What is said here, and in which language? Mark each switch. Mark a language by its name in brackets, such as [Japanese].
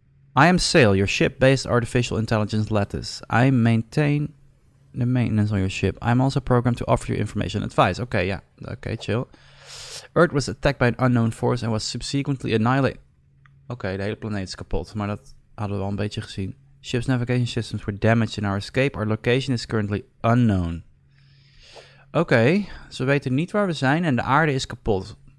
[English] I am Sail, your ship-based artificial intelligence lattice. I maintain the maintenance on your ship. I am also programmed to offer you information and advice. Oké, okay, ja. Yeah. Oké, okay, chill. Earth was attacked by an unknown force and was subsequently annihilated. [Dutch] Oké, okay, de hele planeet is kapot, maar dat hadden we al een beetje gezien. [English] Ship's navigation systems were damaged in our escape. Our location is currently unknown. [Dutch] Oké, okay, ze weten niet waar we zijn en de aarde is kapot.